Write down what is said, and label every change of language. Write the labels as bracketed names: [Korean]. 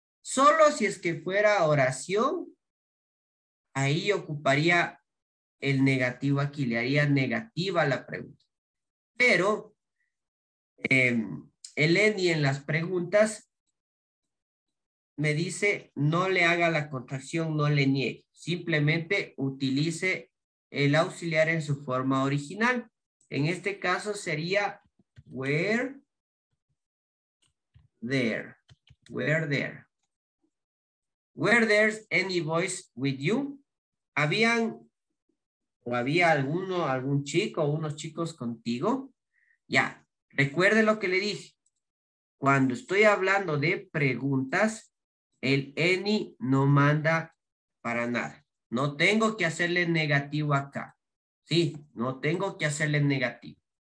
[Spanish] Solo si es que fuera oración, ahí ocuparía el negativo aquí, le haría negativa la pregunta. Pero el any en las preguntas me dice no le haga la contracción, no le niegue. Simplemente utilice el auxiliar en su forma original. En este caso sería [English] were there any boys with you? [Spanish] ¿Habían o había alguno, algún chico o unos chicos contigo? Ya, recuerde lo que le dije. Cuando estoy hablando de preguntas, el any no manda para nada. No tengo que hacerle negativo acá. Sí, no tengo que hacerle negativo.